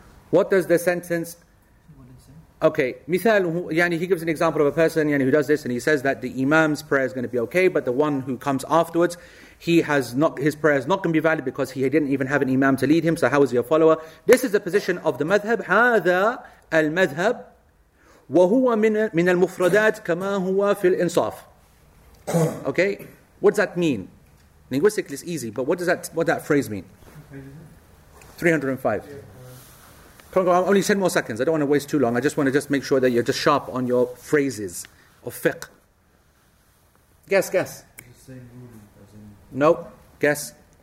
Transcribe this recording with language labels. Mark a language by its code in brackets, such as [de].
[en] What does the sentence... Okay, Mithal, yani, he gives an example of a person, yani, who does this, and he says that the imam's prayer is going to be okay, but the one who comes afterwards, his prayer is not going to be valid because he didn't even have an imam to lead him, so how is he a follower? This is the position of the madhab. [ar] هذا المذهب وهو من المفردات كما هو في الإنصاف. [en] Okay, what does that mean? Linguistically, it's easy, but what does that phrase mean? 305. Come on, only 10 more seconds. I don't want to waste too long. I just want to just make sure that you're just sharp on your phrases of fiqh. Guess. No, guess.